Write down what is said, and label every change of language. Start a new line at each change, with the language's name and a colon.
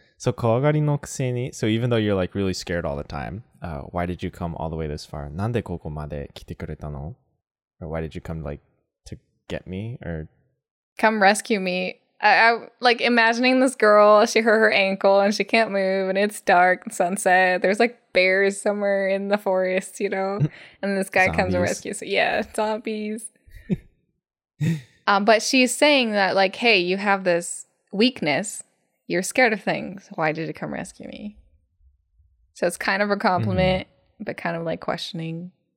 English: So
Japanese: 怖がりのくせに,
English: so even though you're like really scared all the time, why did you come all the way this far?
Japanese: なんでここまで来てくれたの?
English: Or why did you come like,get me or come rescue me I like imagining this girl she hurt her ankle and she can't move and it's dark sunset there's like bears somewhere in the forest you know and this guy comes and rescues her. Yeah zombies but she's saying that like hey you have this weakness you're scared of things why did it come rescue me so it's kind of a compliment but kind of like questioning